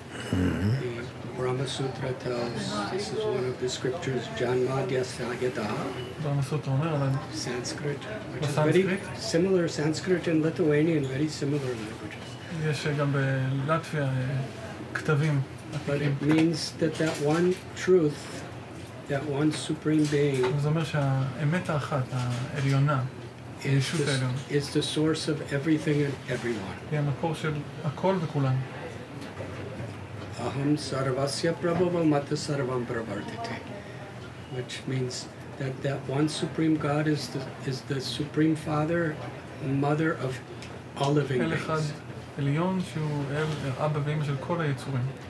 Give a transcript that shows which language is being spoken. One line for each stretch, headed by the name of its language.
English: The Brahma Sutra tells, this is one of the scriptures, Janmadya Sagata.
Hebrew: Brahma Sutra אומר, אבל
English: Sanskrit, which is very similar, Sanskrit and Lithuanian, very similar languages.
Hebrew: יש גם בלטביה כתבים.
English: But it means that that one truth, that one supreme being,
Hebrew: זה אומר שהאמת האחת, העליונה, הישות העליון,
English: is the source of everything and everyone.
Hebrew: היא המקור של הכל וכולם.
Sanskrit: Aham sarvasya prabhavam mata sarvam pravartite,
English: which means that that one supreme God is the supreme father, mother of all living beings.
Hebrew: אחד עליון שהוא אבא ואמא של כל היצורים.